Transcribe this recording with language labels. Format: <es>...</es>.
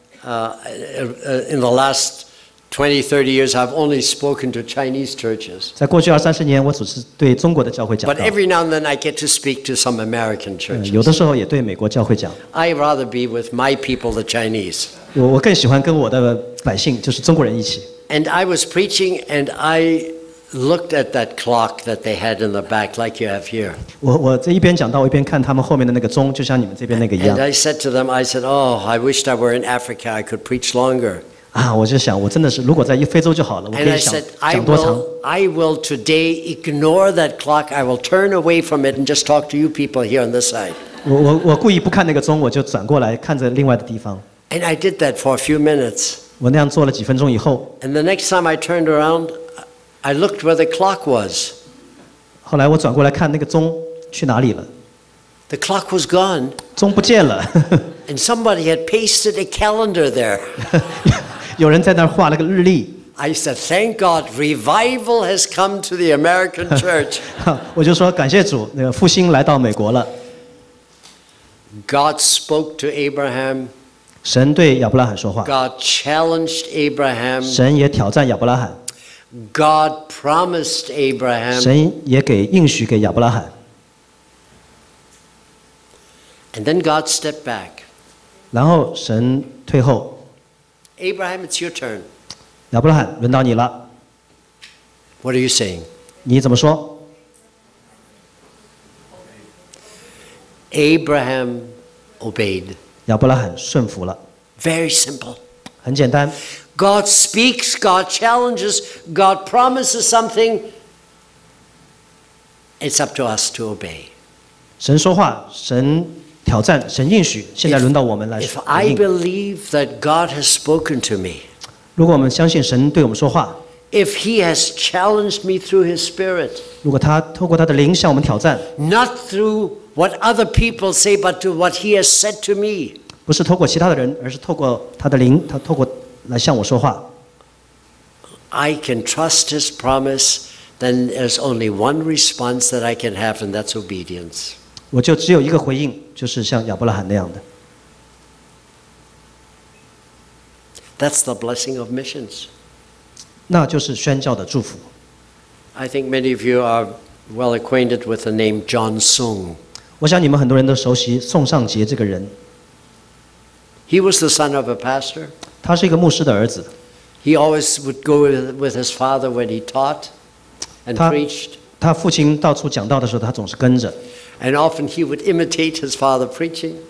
<en>In the last 20, 30 years, I've only spoken to Chinese churches.</en> <zh>在过去二三十年，我只是对中国的教会讲道。</zh> <en>But every now and then, I get to speak to some American churches.</en> <zh>有的时候也对美国教会讲。</zh> <en>I'd rather be with my people, the Chinese.</en> <zh>我更喜欢跟我的百姓，就是中国人一起。</zh> <en>And I was preaching, and I looked at that clock that they had in the back, like you have here.</en> <zh>我这一边讲到，一边看他们后面的那个钟，就像你们这边那个一样。</zh> <en>And I said to them, I said, oh, I wished I were in Africa, I could preach longer.</en> <zh>啊，我就想，我真的是，如果在非洲就好了，我可以想</zh> <en>And I said,</en> <zh>讲多长。</zh> <en>I will today ignore that clock. I will turn away from it and just talk to you people here on this side.</en> <zh>我故意不看那个钟，我就转过来看着另外的地方。</zh> <en>And I did that for a few minutes.</en> <zh>我那样做了几分钟以后。</zh> <en>And the next time I turned around. I looked where the clock was.</en> <zh>后来我转过来看那个钟去哪里了。</zh> <en>The clock was gone.</en> <zh>钟不见了。</zh> <en>And somebody had pasted a calendar there.</en> <zh>有人在那儿画了个日历。</zh> <en>I said, "Thank God, revival has come to the American church."</en> <zh>我就说感谢主，那个复兴来到美国了。</zh> <en>God spoke to Abraham.</en> <zh>神对亚伯拉罕说话。</zh> <en>God challenged Abraham.</en> <zh>神也挑战亚伯拉罕。</zh> <en>God promised Abraham.</en> <zh>神也给应许给亚伯拉罕。</zh> <en>And then God stepped back.</en> <zh>然后神退后。</zh> <en>Abraham, it's your turn.</en> <zh>亚伯拉罕，轮到你了。</zh> <en>What are you saying?</en> <zh>你怎么说</zh> <en>？Abraham obeyed.</en> <zh>亚伯拉罕顺服了。</zh> <en>Very simple.</en> <zh>很简单。</zh> <en>God speaks, God challenges, God promises something. It's up to us to obey.</en> <zh>神说话，神挑战，神应许，现在轮到我们来回应。</zh> <en>If I believe that God has spoken to me,</en> <zh>如果我们相信神对我们说话</zh> <en>，If He has challenged me through His Spirit,</en> <zh>如果他透过他的灵向我们挑战</zh> <en>，Not through what other people say, but to what He has said to me,</en> <zh>不是透过其他的人，而是透过他的灵，他透过。来向我说话。</zh> <en>I can trust his promise, then there's only one response that I can have, and that's obedience.</en> <zh>我就只有一个回应，就是像亚伯拉罕那样的。</zh> <en>That's the blessing of missions.</en> <zh>那就是宣教的祝福。</zh> <en>I think many of you are well acquainted with the name John Sung.</en> <zh>我想你们很多人都熟悉宋尚杰这个人。</zh> <en>He was the son of a pastor.</en> <zh>他是一个牧师的儿子。</zh> <en>He always would go with his father when he taught and preached.</en> <zh>他父亲到处讲道的时候，他总是跟着。</zh> <en>And often he would imitate his father preaching.</en>